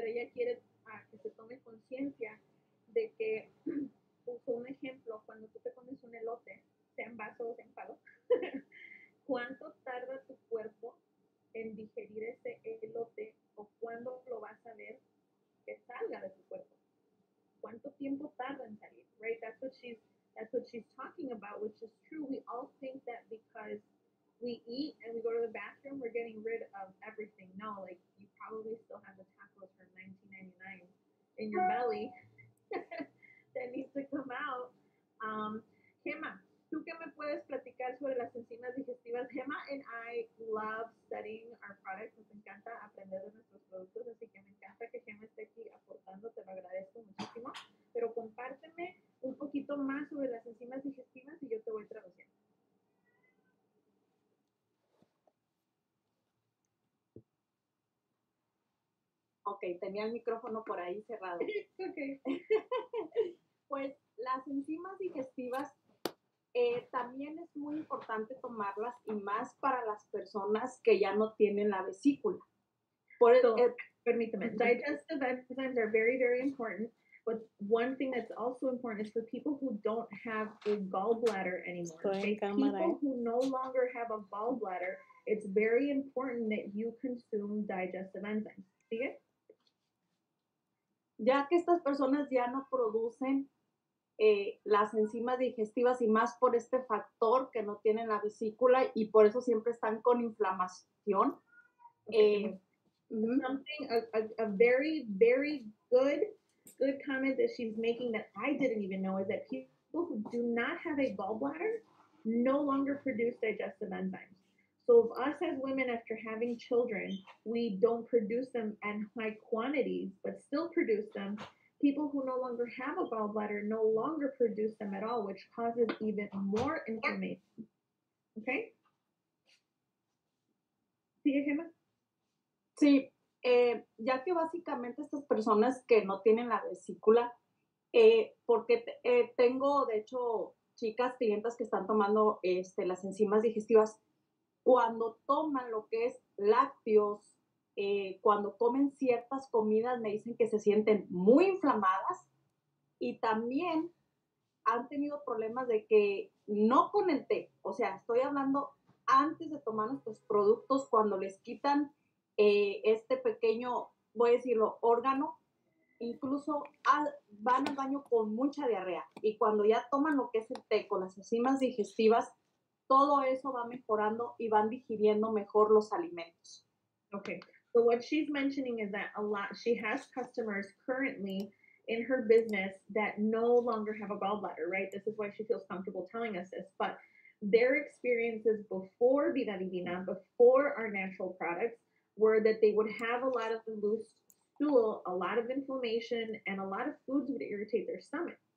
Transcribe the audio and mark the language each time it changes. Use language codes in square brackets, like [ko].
[es] Pero ella quiere que se tome conciencia de que, uso un ejemplo, cuando tú te comes un elote, sea en vaso o sea en palo, ¿cuánto tarda tu cuerpo en digerir ese elote o cuándo lo vas a ver que salga de tu cuerpo? ¿Cuánto tiempo tarda en salir? [en] Right, that's what she's talking about, which is true. We all think that because we eat and we go to the bathroom, we're getting rid of everything. No, like you probably still have the tacos from 1999 in your belly that needs to come out. [es] Gemma, ¿tú qué me puedes platicar sobre las enzimas digestivas? [en] Gemma and I love studying our products. [es] Nos encanta aprender de nuestros productos, así que me encanta que Gemma esté aquí aportando. Te lo agradezco muchísimo. Pero compárteme un poquito más sobre las enzimas digestivas y yo te voy traduciendo. Ok, tenía el micrófono por ahí cerrado. Ok. Pues las enzimas digestivas también es muy importante tomarlas y más para las personas que ya no tienen la vesícula. Por eso. Permítame. [en] Digestive enzymes are very, very important. But one thing that's also important is for people who don't have a gallbladder anymore. People who no longer have a gallbladder, it's very important that you consume digestive enzymes. [es] ¿Sigue? Ya que estas personas ya no producen las enzimas digestivas y más por este factor que no tienen la vesícula y por eso siempre están con inflamación. [en] Something, a very, very good comment that she's making that I didn't even know is that people who do not have a gallbladder no longer produce digestive enzymes. So if us as women, after having children, we don't produce them in high quantities, but still produce them, people who no longer have a gallbladder no longer produce them at all, which causes even more inflammation. Okay? [es] ¿Sigue, Gemma? Sí, ya que básicamente estas personas que no tienen la vesícula, porque tengo, de hecho, chicas, clientas que están tomando las enzimas digestivas, cuando toman lo que es lácteos, cuando comen ciertas comidas, me dicen que se sienten muy inflamadas y también han tenido problemas de que no con el té, o sea, estoy hablando antes de tomar estos productos, cuando les quitan este pequeño, voy a decirlo, órgano, incluso van al baño con mucha diarrea. Y cuando ya toman lo que es el té con las enzimas digestivas, todo eso va mejorando y van digiriendo mejor los alimentos. [en] Okay. So what she's mentioning is that a lot, she has customers currently in her business that no longer have a gallbladder, right? This is why she feels comfortable telling us this. But their experiences before Vida Divina, before our natural products, were that they would have a lot of loose stool, a lot of inflammation, and a lot of foods would irritate their stomach.